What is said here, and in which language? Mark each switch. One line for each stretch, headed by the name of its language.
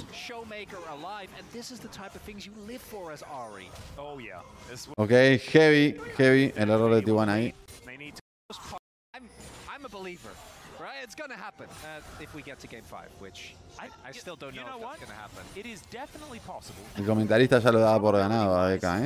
English: Showmaker alive, and this is the type of things you live for as Ahri. Oh yeah. Okay, heavy, heavy
Spanish: el error de T1 ahí.
English: I'm a believer. Right, it's gonna happen if we get to game 5, which I still don't know if it's gonna happen. It is definitely possible.
Spanish: El comentarista ya lo daba por ganado a Deca, ¿eh?